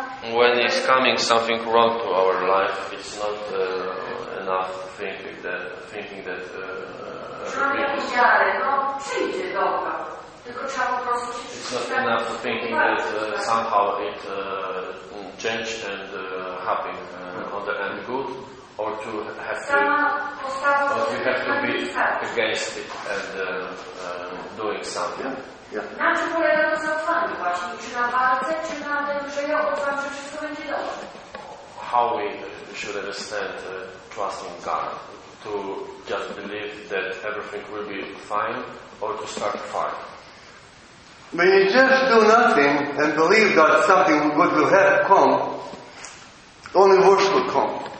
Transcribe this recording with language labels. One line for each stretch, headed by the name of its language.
English: When is coming something wrong to our life, it's not enough thinking that somehow it changed and happened on the end good. Or to have faith, or you have to be against it and doing something.
Polish: Na czym polega to zaufanie właśnie? Czy na walce, czy na tym, że ja ufam, że wszystko będzie dobrze?
English: How we should understand trusting God? To just believe that everything will be fine, or to start a fight? When you just do nothing and believe that something good will have come, only worse will come.